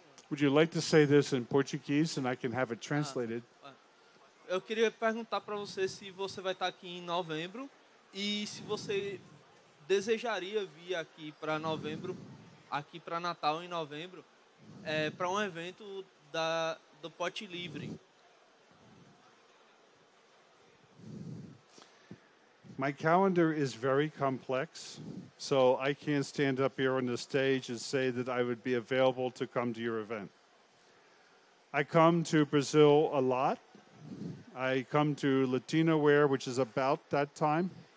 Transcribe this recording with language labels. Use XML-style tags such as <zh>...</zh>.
<en>Would you like to say this in Portuguese and I can have it translated?</en> <pt>Eu queria perguntar para você se você vai estar aqui em novembro. E se você desejaria vir aqui para novembro, aqui para Natal em novembro, para um evento do Pote Livre.</pt> <en>My calendar is very complex, so I can't stand up here on the stage and say that I would be available to come to your event. I come to Brazil a lot. I come to Latinoware, which is about that time.</en>